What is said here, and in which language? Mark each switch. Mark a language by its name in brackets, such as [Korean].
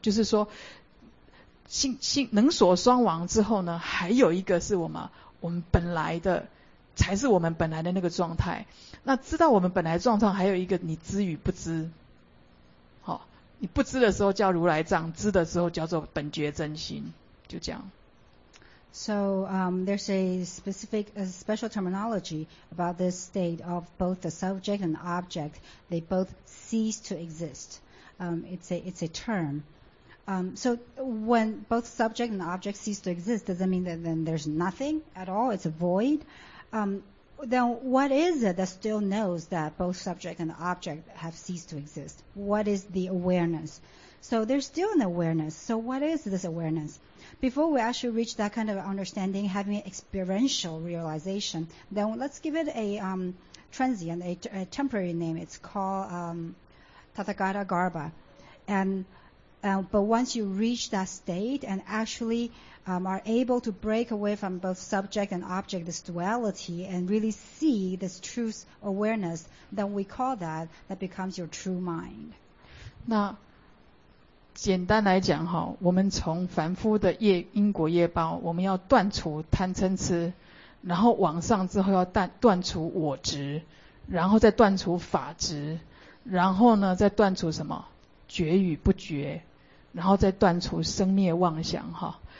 [Chinese] 就是说，心能所双亡之后呢，还有一个是我们本来的。才是我们本来的那个状态。那知道我们本来状态，还有一个你知与不知。好，你不知的时候叫如来藏，知的时候叫做本觉真心，就这样。 [English] So there's a special terminology about this state of both the subject and object. They both cease to exist. It's a term. So when both subject and object cease to exist, does that mean that then there's nothing at all? It's a void. Then what is it that still knows that both subject and object have ceased to exist? What is the awareness? So there's still an awareness. So what is this awareness? Before we actually reach that kind of understanding, having experiential realization, then let's give it a temporary name. It's called Tathagata Garbha. But once you reach that state and actually are able to break away from both subject and object, this duality, and really see this truth awareness, then we call that becomes your true mind. 那 [Chinese] 简单来讲哈，我们从凡夫的业因果业报，我们要断除贪嗔痴，然后往上之后要断除我执，然后再断除法执，然后呢再断除什么觉与不觉，然后再断除生灭妄想哈。